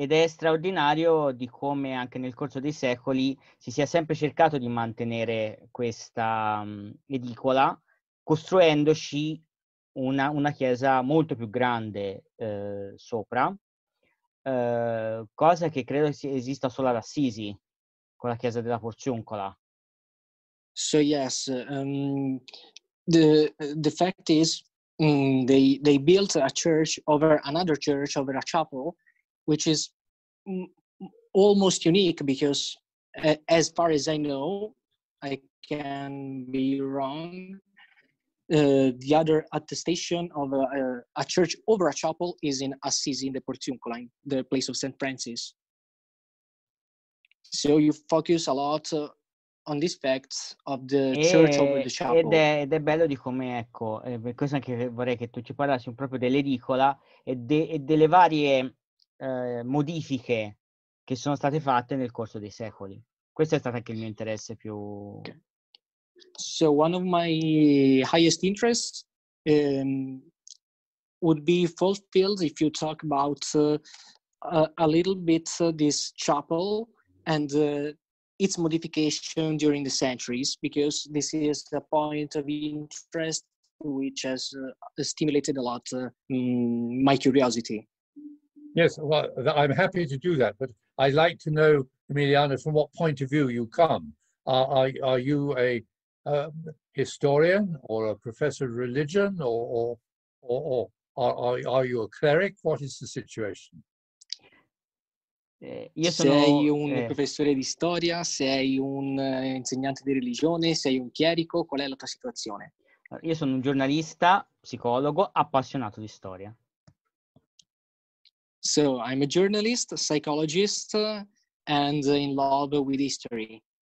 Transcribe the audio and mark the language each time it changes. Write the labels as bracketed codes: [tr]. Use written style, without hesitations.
[it] Ed è straordinario di come anche nel corso dei secoli si sia sempre cercato di mantenere questa edicola, costruendoci una chiesa molto più grande sopra, cosa che credo esista solo ad Assisi, con la chiesa della Porciuncola. [en] So yes, the fact is they built a church over another church, over a chapel, which is almost unique, because as far as I know, I can be wrong, the other attestation of a church over a chapel is in Assisi, in the Porciuncola, in the place of St. Francis. So you focus a lot on this fact of the church over the chapel. [it] Ed è bello di come, ecco, questo anche vorrei che tu ci parlassi proprio dell'edicola e delle varie modifiche che sono state fatte nel corso dei secoli. Questo è stato anche il mio interesse più... [en] Okay. So one of my highest interests would be fulfilled if you talk about a little bit this chapel and its modification during the centuries, because this is a point of interest which has stimulated a lot my curiosity. Yes, well, I'm happy to do that, but I'd like to know, Emiliano, from what point of view you come. Are you a historian or a professor of religion, or are you a cleric? What is the situation? [it] Io sono, sei un professore di storia, sei un insegnante di religione, sei un chierico, qual è la tua situazione? Io sono un giornalista, psicologo, appassionato di storia. [en] So, I'm a journalist, a psychologist, and in love with history.